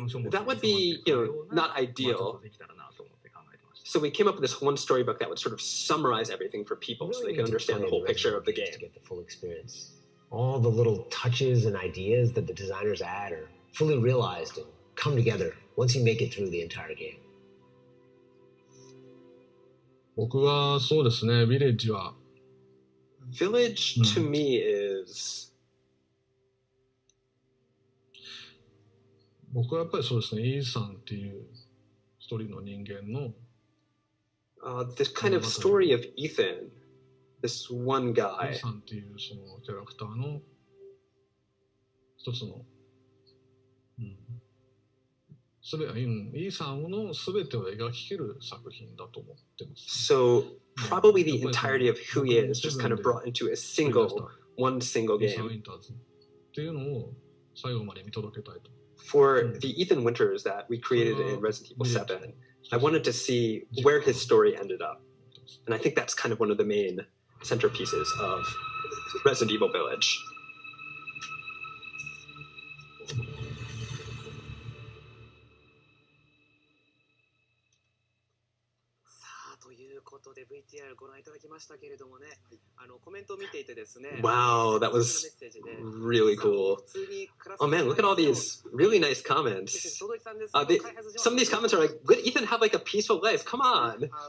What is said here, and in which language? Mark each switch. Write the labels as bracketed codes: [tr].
[en] That would be, you know, not ideal. So we came up with this one storybook that would sort of summarize everything for people so they could understand the whole picture of the game. All the little touches and ideas that the designers add are fully realized and come together once you make it through the entire game. [ja] 僕はそうですね、ビレッジは。 [en] Village to me is... [ja] 僕はやっぱりそうですね、イーサンっていう一人の人間の。 [en] This kind of story of Ethan. This one guy. [ja] イーサンっていうそのキャラクターの一つの、すべイーサンのすべてを描ききる作品だと思ってます。 [en] So probably the entirety of who he is just kind of brought into a single, one single game. イーサンウィンターズ [ja] っていうのを最後まで見届けたいと。 [en] For the Ethan Winters that we created in Resident Evil 7, I wanted to see where his story ended up, and I think that's kind of one of the main. Centerpieces of Resident Evil Village. [ja] さあということで VTR ご覧いただきましたけれどもね、あのコメントを見ていてですね。 [en] Wow, that was really cool. Oh man, look at all these really nice comments. Some of these comments are like, "Would Ethan have like a peaceful life? Come on."